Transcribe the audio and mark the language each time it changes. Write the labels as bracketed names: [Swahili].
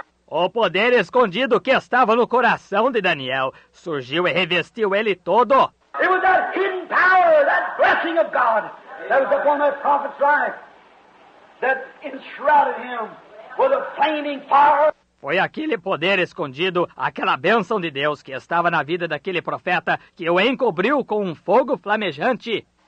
[Portuguese] O poder escondido que estava no coração de Daniel surgiu e revestiu ele todo. [English] It was that hidden power, that blessing of God, that was upon that prophet's life, that enshrouded him with a flaming fire. [Portuguese] Foi aquele poder escondido, aquela bênção de Deus que estava na vida daquele profeta que o encobriu com um fogo flamejante.